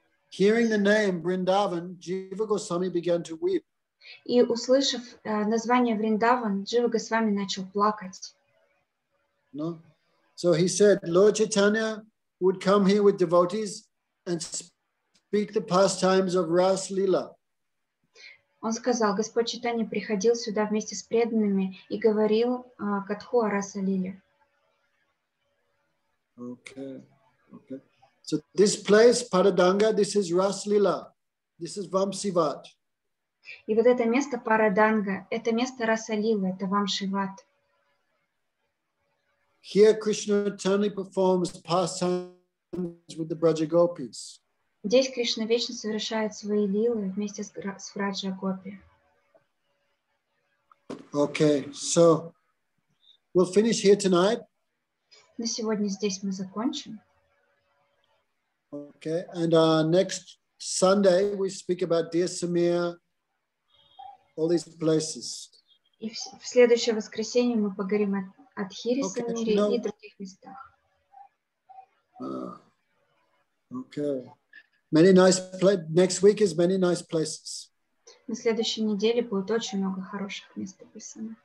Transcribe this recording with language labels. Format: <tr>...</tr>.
<en>Hearing the name Vrindavan, Jiva Goswami began to weep.</en> <ru>И услышав название Vrindavan, Jiva Goswami начал плакать.</ru> <en>No? So he said, Lord Chaitanya would come here with devotees and speak the pastimes of Ras Lila.</en> <ru>Он сказал, Господь Читания приходил сюда вместе с преданными и говорил катху о Раса Лиле.</ru> <en>Okay. So this place, Paradanga, this is Ras Lila. This is Vamsivat.</en> <ru>И вот это место Параданга, это место Раса Лилы, это Вамшиват.</ru> <en>Here Krishna eternally performs pastimes with the Braja Gopis.</en> <ru>Здесь Кришна вечно совершает свои лилы вместе с Враджа Гопи.</ru> <en>Okay, so we'll finish here tonight.</en> <ru>На сегодня здесь мы закончим.</ru> <en>Okay, and next Sunday we speak about Dear Samir, all these places.</en> <ru>И в следующее воскресенье мы поговорим о Тхире Самире и других местах.</ru> <en>Okay. Many nice places. Next week is many nice places.</en> <ru>На следующей неделе будет очень много хороших мест описано.</ru>